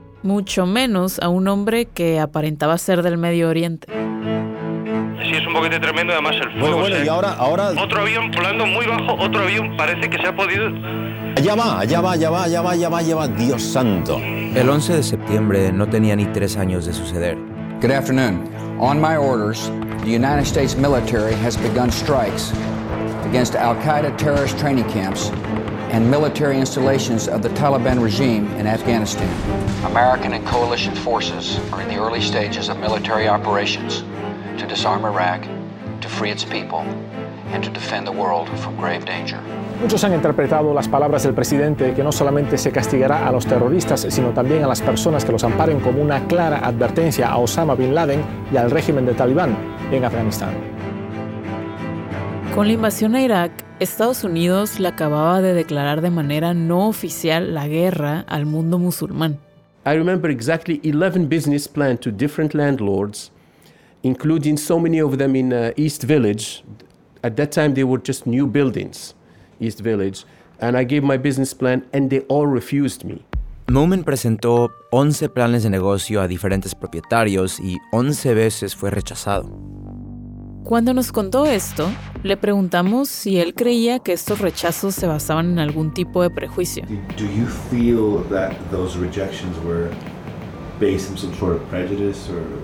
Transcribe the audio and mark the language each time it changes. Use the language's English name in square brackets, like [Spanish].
[Spanish] Mucho menos a un hombre que aparentaba ser del Medio Oriente. Sí, es un boquete tremendo, además el fuego. Bueno, ¿sí? Y ahora... Otro avión volando muy bajo, otro avión parece que se ha podido... Allá va, Dios santo. El 11 de septiembre no tenía ni 3 años de suceder. [English] Good afternoon. On my orders, the United States military has begun strikes against al-Qaeda terrorist training camps and military installations of the Taliban regime in Afghanistan. American and coalition forces are in the early stages of military operations to disarm Iraq, to free its people, and to defend the world from grave danger. [Spanish] Muchos han interpretado las palabras del presidente que no solamente se castigará a los terroristas, sino también a las personas que los amparen como una clara advertencia a Osama Bin Laden y al régimen de Talibán en Afganistán. Con la invasión a Irak, Estados Unidos le acababa de declarar de manera no oficial la guerra al mundo musulmán. [English] I remember exactly 11 business plans to different landlords including so many of them in East Village. At that time, they were just new buildings, East Village. And I gave my business plan, and they all refused me. [Spanish] Moman presentó 11 planes de negocio a diferentes propietarios y 11 veces fue rechazado. Cuando nos contó esto, le preguntamos si él creía que estos rechazos se basaban en algún tipo de prejuicio. [English] Do you feel that those rejections were based on some sort of prejudice or...